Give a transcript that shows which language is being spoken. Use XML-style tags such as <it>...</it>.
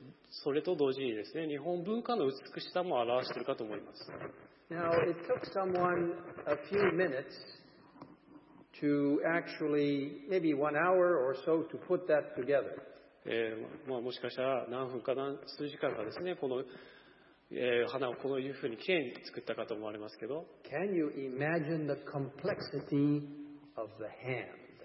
<ja>それと同時にですね、日本文化の美しさも表しているかと思います。</ja> <en>Now, it took someone a few minutes to actually maybe one hour or so to put that together.</en> <ja>まあ、もしかしたら何分か何数時間かですね、この、花をこのいうふうにきれいに作ったかと思われますけど。</ja> <en>Can you imagine the complexity of the hand?</en>